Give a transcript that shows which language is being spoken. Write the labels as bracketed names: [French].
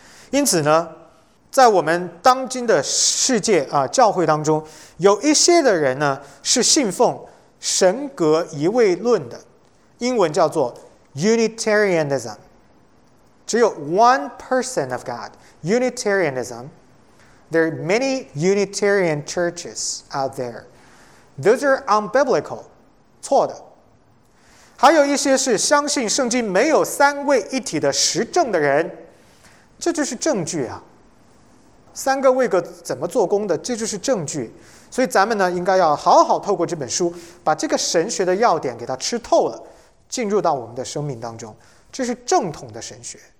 [Chinese] 因此呢，在我们当今的世界啊，教会当中有一些的人呢是信奉神格一位论的，英文叫做 Unitarianism， 只有 [English] one person of God， [Chinese] Unitarianism。 [English] There are many Unitarian churches out there. Those are unbiblical， [Chinese] 错的。还有一些是相信圣经没有三位一体的实证的人，这就是证据啊，三个位格怎么做工的，这就是证据。所以咱们呢，应该要好好透过这本书，把这个神学的要点给它吃透了，进入到我们的生命当中，这是正统的神学。